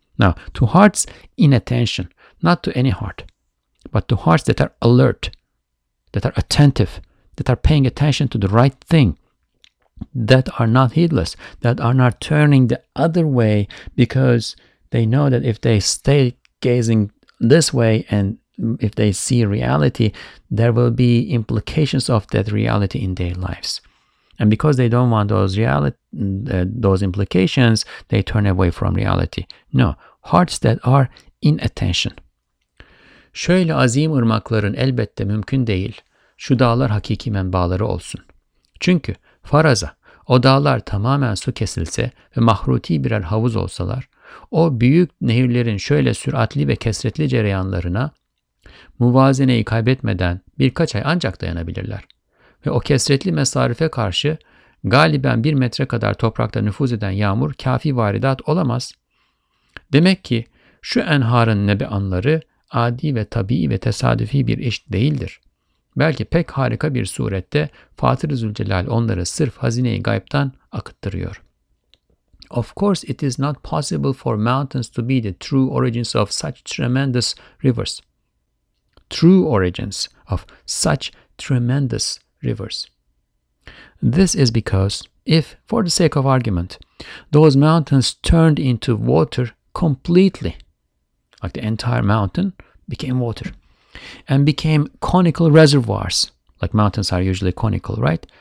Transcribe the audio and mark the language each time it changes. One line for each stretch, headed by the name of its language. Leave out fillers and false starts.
English: Now, to hearts in attention, not to any heart, but to hearts that are alert, that are attentive, that are paying attention to the right thing, that are not heedless, that are not turning the other way, because they know that if they stay gazing this way and if they see reality, there will be implications of that reality in their lives. And because they don't want those implications, they turn away from reality. No, hearts that are in attention.
Turkish: Şöyle azim ırmakların elbette mümkün değil, şu dağlar hakiki menbaları olsun. Çünkü faraza, o dağlar tamamen su kesilse ve mahruti birer havuz olsalar, o büyük nehirlerin şöyle süratli ve kesretli cereyanlarına muvazeneyi kaybetmeden birkaç ay ancak dayanabilirler. Ve o kesretli mesafe karşı galiben bir metre kadar toprakta nüfuz eden yağmur kafi varidat olamaz. Demek ki şu enharın nebeanları adi ve tabii ve tesadüfi bir iş değildir. Belki pek harika bir surette Fatır-ı Zülcelal onları sırf hazine-i gaybtan akıttırıyor.
English: Of course, it is not possible for mountains to be the true origins of such tremendous rivers. true origins of such tremendous rivers. This is because if, for the sake of argument, those mountains turned into water completely, like the entire mountain became water, and became conical reservoirs, like mountains are usually conical, right?